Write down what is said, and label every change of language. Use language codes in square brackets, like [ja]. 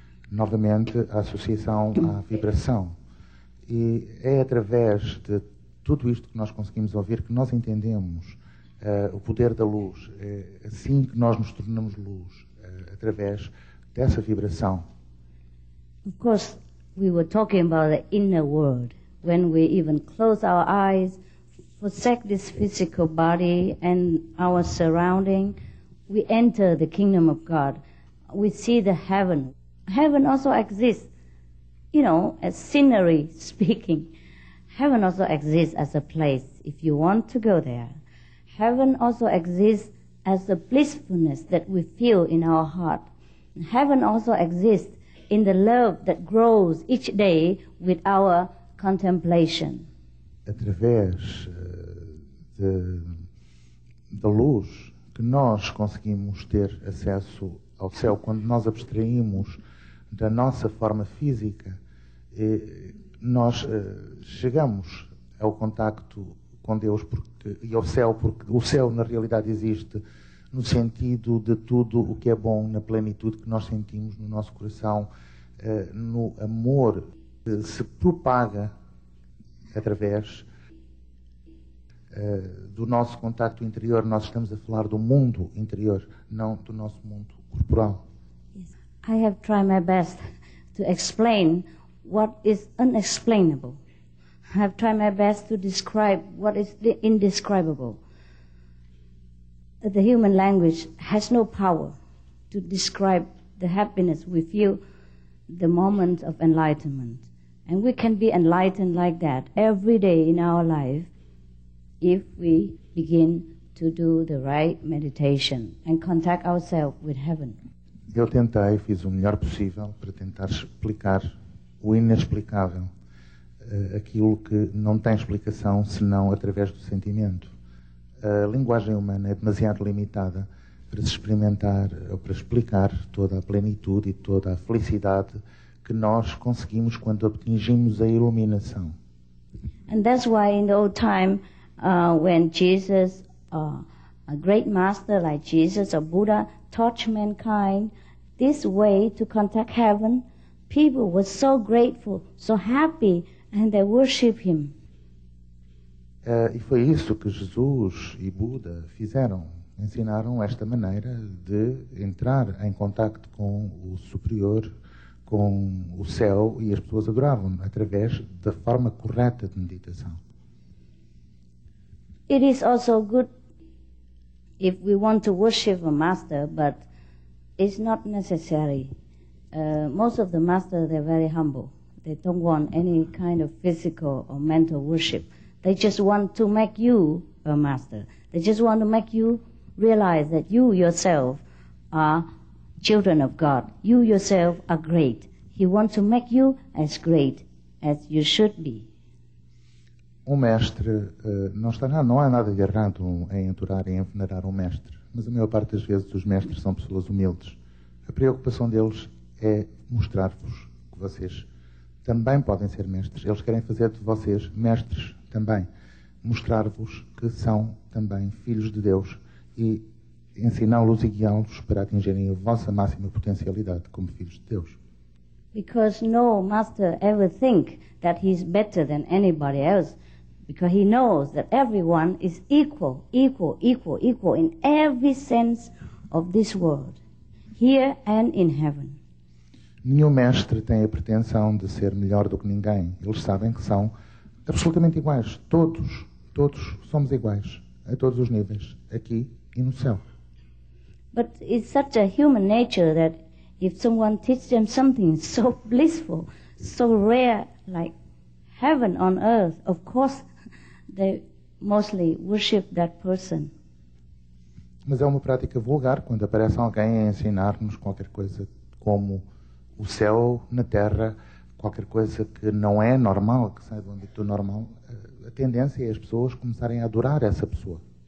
[pt] Novamente, a associação à vibração. E é através de tudo isto que nós conseguimos ouvir que nós entendemos o poder da luz. É assim que nós nos tornamos luz, através dessa vibração. [en] Of course, we were talking about the inner world. When we even close our eyes, forsake this physical body and our surrounding, we enter the kingdom of God. We see the heaven. Heaven also exists, you know, as scenery speaking. Heaven also exists as a place, if you want to go there. Heaven also exists as the blissfulness that we feel in our heart. Heaven also exists in the love that grows each day with our contemplation. [pt] Através da luz que nós conseguimos ter acesso ao céu quando nós abstraímos da nossa forma física, nós chegamos ao contacto com Deus e ao céu, porque o céu na realidade existe no sentido de tudo o que é bom, na plenitude que nós sentimos no nosso coração, no amor que se propaga através do nosso contacto interior. Nós estamos a falar do mundo interior, não do nosso mundo corporal. [en] I have tried my best to explain what is unexplainable. I have tried my best to describe what is the indescribable. The human language has no power to describe the happiness we feel the moment of enlightenment. And we can be enlightened like that every day in our life if we begin to do the right meditation and contact ourselves with heaven. [pt] Eu tentei, fiz o melhor possível para tentar explicar o inexplicável, aquilo que não tem explicação senão através do sentimento. A linguagem humana é demasiado limitada para se experimentar ou para explicar toda a plenitude e toda a felicidade que nós conseguimos quando atingimos a iluminação. [en] And that's why in the old time, when Jesus, a great master like Jesus or Buddha, taught mankind this way to contact heaven, people were so grateful, so happy, and they worship him. [pt] E foi isso que Jesus e Buda fizeram. Ensinaram esta maneira de entrar em contacto com o superior, com o céu, e as pessoas adoravam através da forma correta de meditação. [en] It is also good if we want to worship a master, but it's not necessary. Most of the masters, they're very humble. They don't want any kind of physical or mental worship. They just want to make you a master. They just want to make you realize that you yourself are children of God. You yourself are great. He wants to make you as great as you should be. [pt] Um mestre, não há nada de errado em adorar e em venerar um mestre, mas a maior parte das vezes os mestres são pessoas humildes. A preocupação deles é mostrar-vos que vocês também podem ser mestres. Eles querem fazer de vocês mestres também, mostrar-vos que são também filhos de Deus e ensiná-los e guiá-los para atingirem a vossa máxima potencialidade como filhos de Deus. [en] Because no master ever think that he's better than anybody else, because he knows that everyone is equal in every sense of this world, here and in heaven. [pt] Nenhum mestre tem a pretensão de ser melhor do que ninguém. Eles sabem que são absolutamente iguais. Todos somos iguais a todos os níveis, aqui e no céu. [en] But it's such a human nature that if someone teaches them something so blissful, so rare, like heaven on earth, of course they mostly worship that person. [pt] Mas é uma prática vulgar quando aparece alguém a ensinar-nos qualquer coisa como o céu na terra, qualquer coisa que não é normal, que sai do âmbito normal. A tendência é as pessoas começarem a adorar essa pessoa.